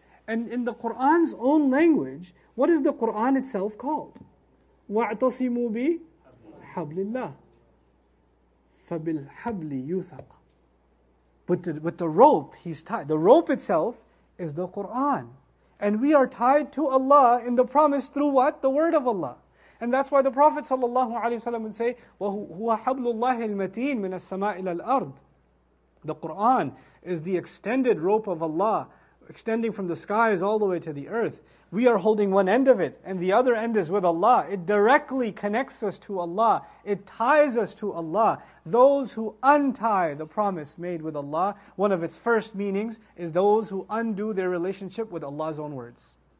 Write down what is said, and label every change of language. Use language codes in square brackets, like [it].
[en] And in the Qur'an's own language, what is the Qur'an itself called? [ar] وَاعْتَصِمُوا بِحَبْلِ اللَّهِ فَبِالْحَبْلِ يُثَقْ. [en] With the rope, he's tied. The rope itself is the Qur'an. And we are tied to Allah in the promise through what? The word of Allah. And that's why the Prophet ﷺ would say, [ar] وَهُوَ حَبْلُ اللَّهِ الْمَتِينَ مِنَ السَّمَاءِ إِلَى الْأَرْضِ. [en] The Qur'an is the extended rope of Allah, extending from the skies all the way to the earth. We are holding one end of it, and the other end is with Allah. It directly connects us to Allah. It ties us to Allah. Those who untie the promise made with Allah, one of its first meanings is those who undo their relationship with Allah's own words.